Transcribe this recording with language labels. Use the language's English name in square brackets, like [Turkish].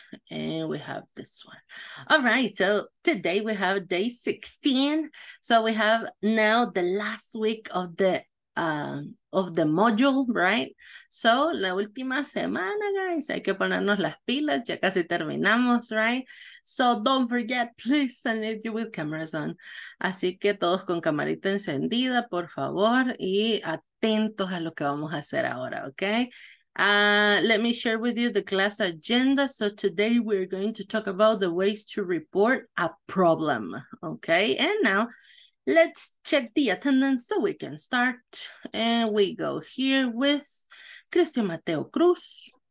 [English] And we have this one. All right, so today we have day 16. So we have now the last week of the module, right? [Spanish] So, la última semana, guys. Hay que ponernos las pilas. Ya casi terminamos, [English] right? So, don't forget, please, I need you with cameras on. [Spanish] Así que todos con camarita encendida, por favor, y atentos a lo que vamos a hacer ahora, okay? [English] Let me share with you the class agenda. So, today we're going to talk about the ways to report a problem, okay? And now, let's check the attendance so we can start. And we go here with Cristian Mateo Cruz.